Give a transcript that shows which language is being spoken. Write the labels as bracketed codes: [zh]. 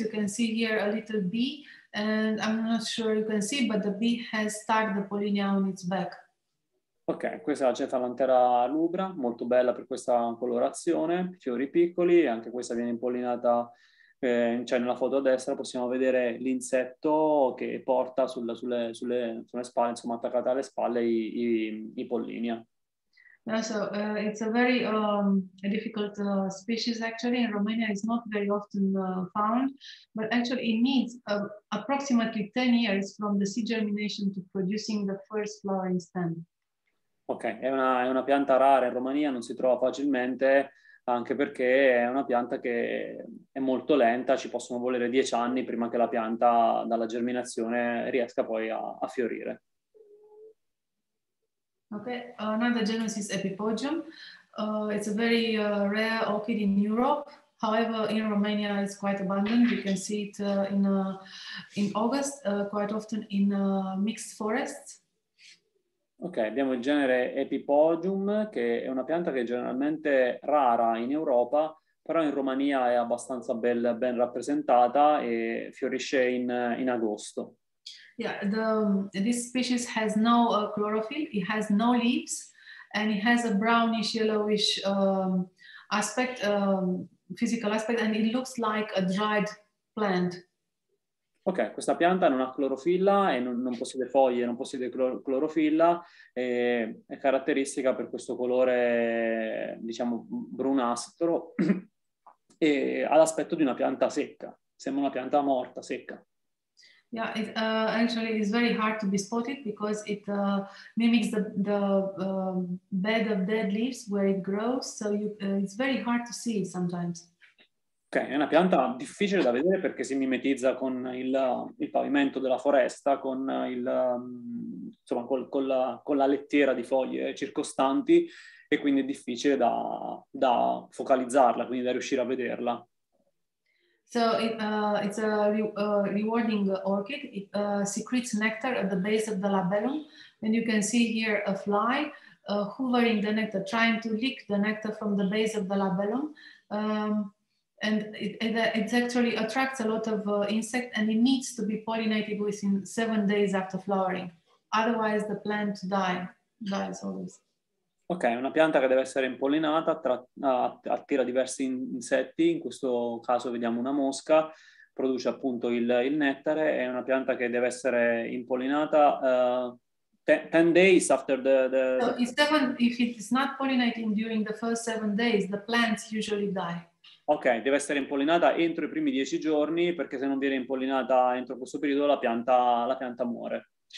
[en] You can see here a little bee, and I'm not sure you can see, but the bee has stuck the pollinia on its back. [it] Ok, questa è la Cephalanthera rubra, molto bella per questa colorazione, fiori piccoli, anche questa viene impollinata, cioè nella foto a destra possiamo vedere l'insetto che porta sulle spalle, insomma attaccata alle spalle i pollinia. [en] So it's a very a difficult species actually. In Romania it's not very often found, but actually it needs approximately 10 years from the seed germination to producing the first flowering stem. [it] Ok, è una pianta rara in Romania, non si trova facilmente, anche perché è una pianta che è molto lenta, ci possono volere 10 anni prima che la pianta dalla germinazione riesca poi a fiorire. [en] Ok, another genus is Epipodium. It's a very rare orchid in Europe. However, in Romania it's quite abundant. You can see it in August, quite often in mixed forests. [it] Ok, abbiamo il genere Epipodium, che è una pianta che è generalmente rara in Europa, però in Romania è abbastanza ben rappresentata e fiorisce in agosto. [en] Yeah, this species has no chlorophyll, it has no leaves, and it has a brownish yellowish aspect, physical aspect, and it looks like a dried plant. [it] Ok, questa pianta non ha clorofilla e non possiede foglie, non possiede clorofilla, e è caratteristica per questo colore, diciamo, brunastro, e ha l'aspetto di una pianta secca, sembra una pianta morta, secca. [en] Yeah, it, actually it's very hard to be spotted because it mimics the bed of dead leaves where it grows, so it's very hard to see sometimes. [it] Ok, è una pianta difficile da vedere perché si mimetizza con il pavimento della foresta, con la lettiera di foglie circostanti, e quindi è difficile da focalizzarla, quindi da riuscire a vederla. [en] So it's a rewarding orchid. It secretes nectar at the base of the labellum, and you can see here a fly hovering the nectar, trying to lick the nectar from the base of the labellum. And it actually attracts a lot of insects, and it needs to be pollinated within 7 days after flowering. Otherwise the plant dies always. [it] Ok, è una pianta che deve essere impollinata, attira diversi insetti, in questo caso vediamo una mosca, produce appunto il nettare, è una pianta che deve essere impollinata [en] 10 days after the... So if it is not pollinating during the first 7 days, the plants usually die. [it] Ok, deve essere impollinata entro i primi 10 giorni, perché se non viene impollinata entro questo periodo la pianta muore.